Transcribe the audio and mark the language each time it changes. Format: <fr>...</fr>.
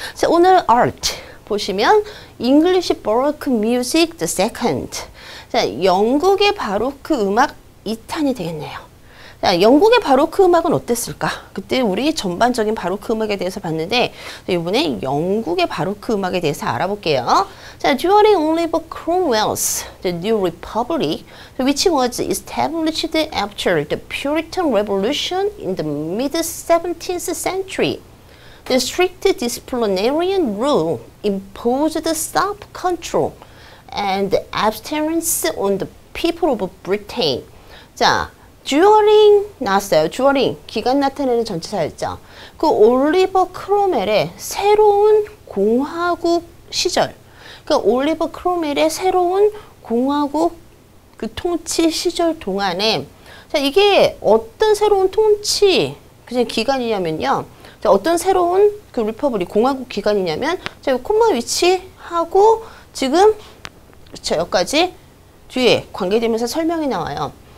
<ko>그래서 오늘 art 보시면</ko> <en>English Baroque Music the Second.</en> <ko>자, 영국의 바로크 음악 2탄이 되겠네요. 자, 영국의 바로크 음악은 어땠을까? 그때 우리 전반적인 바로크 음악에 대해서 봤는데 이번에 영국의 바로크 음악에 대해서 알아볼게요.</ko> <en>자, during Oliver Cromwell's the New Republic, which was established after the Puritan Revolution in the mid-17th century, the strict disciplinarian rule imposed self-control and abstinence on the people of Britain.</en> <ko>자, during 나왔어요. during 기간 나타내는 전치사였죠. 그 올리버 크롬웰의 새로운 공화국 시절, 그 올리버 크롬웰의 새로운 공화국 그 통치 시절 동안에, 자, 이게 어떤 새로운 통치 그냥 기간이냐면요, 자, 어떤 새로운 그 리퍼블리 공화국 기간이냐면, 자, 콤마 위치하고 지금 그쵸, 여기까지 뒤에 관계되면서 설명이 나와요.</ko>